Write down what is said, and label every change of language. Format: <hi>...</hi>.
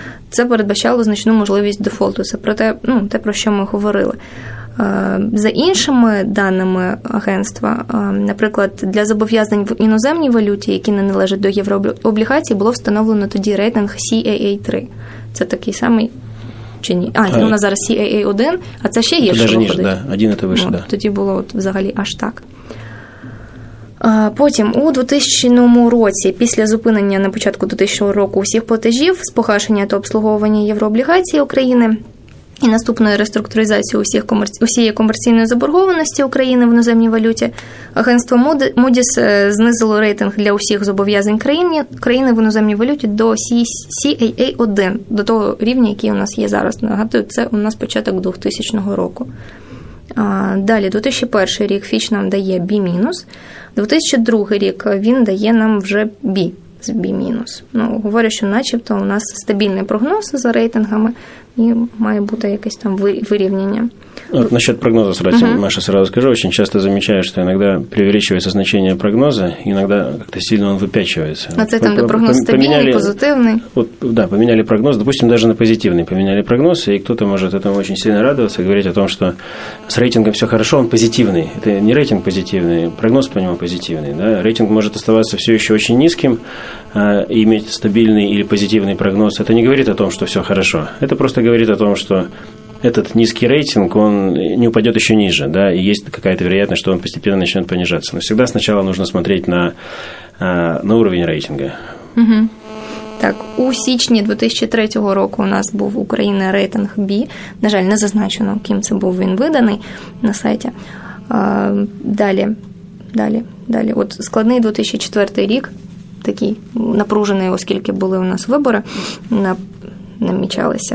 <uk>Це передбачало значну можливість дефолту. Це про те, ну, те, про що ми говорили. За іншими даними агентства, наприклад, для зобов'язань в іноземній валюті, які не належать до єврооблігацій, було встановлено тоді рейтинг CAA3. Це такий самий, чи ні? У нас зараз CAA1, а це ще гірше. Це навіть ніж, один і то вище, так. Тоді було от взагалі аж так. Потім, у 2000 році, після зупинення на початку 2000 року усіх платежів з погашення та обслуговування єврооблігацій України і наступної реструктуризації усієї комерційної заборгованості України в іноземній валюті, агентство Moody's знизило рейтинг для усіх зобов'язань країни в іноземній валюті до CAA1, до того рівня, який у нас є зараз. Нагадую, це у нас початок 2000 року. Далі, 2001 рік Fitch нам дає B-. 2002 рік він дає нам вже B з B-. Ну, говорю, що начебто у нас стабільний прогноз за рейтингами і має бути якесь там вирівняння.</uk> <ru>От насчет прогноза, Маша, сразу скажу, очень часто замечаю, что иногда преувеличивается значение прогноза, иногда как-то сильно он выпячивается. А это там прогноз стабильный, позитивный? Поменяли прогноз, допустим, даже на позитивный поменяли прогноз, и кто-то может этому очень сильно радоваться, говорить о том, что с рейтингом все хорошо, он позитивный. Это не рейтинг позитивный, прогноз по нему позитивный. Да? Рейтинг может оставаться все еще очень низким, и иметь стабильный или позитивный прогноз. Это не говорит о том, что все хорошо. Это просто говорит о том, что этот низкий рейтинг, он не упадет еще ниже, да, и есть какая-то вероятность, что он постепенно начнет понижаться. Но всегда сначала нужно смотреть на уровень рейтинга. Угу.</ru> <uk>Так, у січні 2003 року у нас був Україна рейтинг B. На жаль, не зазначено, ким це був він виданий на сайті. Далі. От складний 2004 рік, такий напружений, оскільки були у нас вибори, намічалися.</uk>